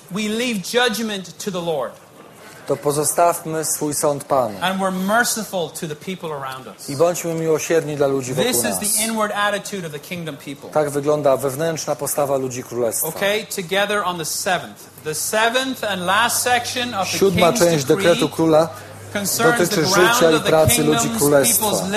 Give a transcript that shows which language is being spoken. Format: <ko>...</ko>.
<en>we leave judgment to the Lord.</en> <pl>To pozostawmy swój sąd Panu.</pl> <en>And we're merciful to the people around us.</en> <pl>I bądźmy miłosierni dla ludzi wokół</pl> <en>This</en> <pl>nas.</pl> <en>Is the inward attitude of the kingdom people.</en> <pl>Tak wygląda wewnętrzna postawa ludzi królestwa.</pl> <en>Okay, together on the seventh. The seventh and last section of the</en> <pl>Siódma część dekretu króla dotyczy życia i pracy ludzi królestwa.</pl>